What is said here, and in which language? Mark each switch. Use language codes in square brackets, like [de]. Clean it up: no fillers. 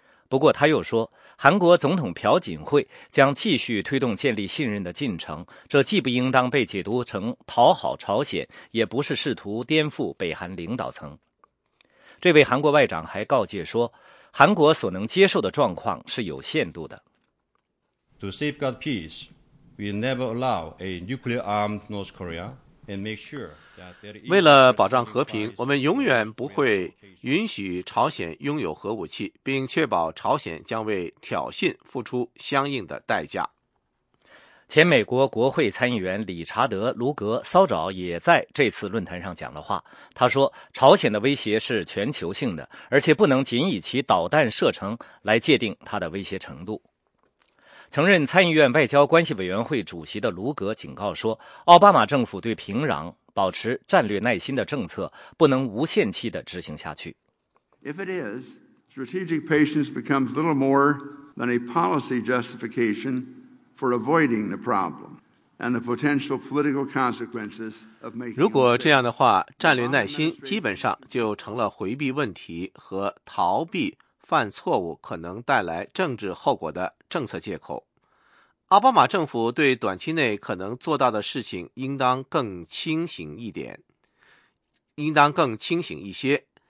[zh] 不过他又说，韩国总统朴槿惠将继续推动建立信任的进程，这既不应当被解读成讨好朝鲜，也不是试图颠覆北韩领导层。这位韩国外长还告诫说，韩国所能接受的状况是有限度的。 [en] To safeguard peace, we never allow a nuclear armed North Korea and make sure that there is... [zh] 为了保障和平，我们永远不会允许朝鲜拥有核武器，并确保朝鲜将为挑衅付出相应的代价。前美国国会参议员理查德·卢格·骚扰也在这次论坛上讲了话，他说朝鲜的威胁是全球性的，而且不能仅以其导弹射程来界定它的威胁程度。曾任参议院外交关系委员会主席的卢格警告说，奥巴马政府对平壤保持战略耐心的政策不能无限期地执行下去。 [en] If it is, strategic patience becomes little more than a policy justification for avoiding the problem. and the potential political consequences of making. [zh] 如果这样的话，战略耐心基本上就成了回避问题和逃避犯错误可能带来政治后果的政策借口。奥巴马政府对短期内可能做到的事情应当更清醒一点，应当更清醒一些。